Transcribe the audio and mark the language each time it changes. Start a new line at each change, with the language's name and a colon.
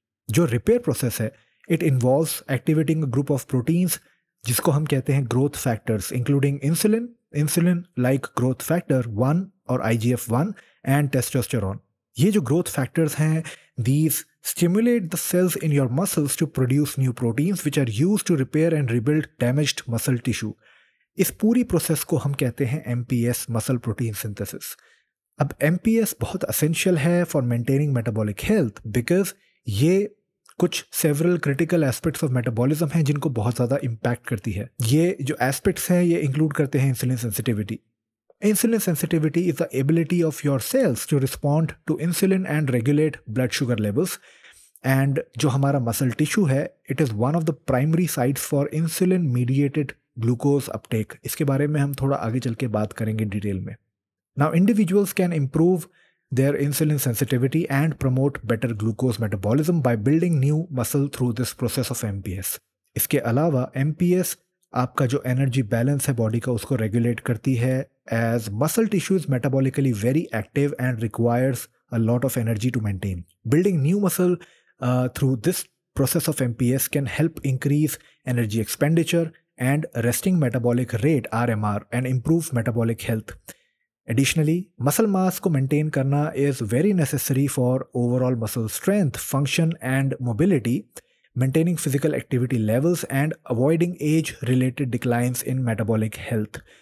Hindi: जो
English: repair process है, it involves activating a group of proteins,
Hindi: जिसको हम कहते हैं
English: growth factors, including insulin, insulin-like growth factor 1 or IGF-1 and testosterone.
Hindi: ये जो
English: growth factors
Hindi: हैं,
English: these stimulate the cells in your muscles to produce new proteins, which are used to repair and rebuild damaged muscle tissue.
Hindi: इस पूरी process को हम कहते हैं MPS,
English: Muscle protein synthesis.
Hindi: अब
English: MPS
Hindi: बहुत
English: essential
Hindi: है
English: for maintaining metabolic health, because
Hindi: ये कुछ
English: several critical aspects of metabolism
Hindi: हैं जिनको बहुत ज़्यादा
English: impact
Hindi: करती है। ये जो
English: aspects
Hindi: हैं ये
English: include
Hindi: करते हैं
English: Insulin sensitivity. Insulin sensitivity is the ability of your cells to respond to insulin and regulate blood sugar levels, and
Hindi: जो हमारा
English: muscle tissue
Hindi: है
English: It is one of the primary sites for insulin mediated glucose uptake.
Hindi: इसके बारे में हम थोड़ा आगे चल के बात करेंगे डिटेल में।
English: Now individuals can improve their insulin sensitivity and promote better glucose metabolism by building new muscle through this process of MPS।
Hindi: इसके अलावा
English: MPS
Hindi: आपका जो
English: energy balance
Hindi: है बॉडी का उसको
English: regulate
Hindi: करती है,
English: As muscle tissue is metabolically very active and requires a lot of energy to maintain. Building new muscle through this process of MPS can help increase energy expenditure and resting metabolic rate, RMR, and improve metabolic health. Additionally, muscle mass
Hindi: ko
English: maintain
Hindi: karna
English: is very necessary for overall muscle strength, function, and mobility, maintaining physical activity levels, and avoiding age-related declines in metabolic health.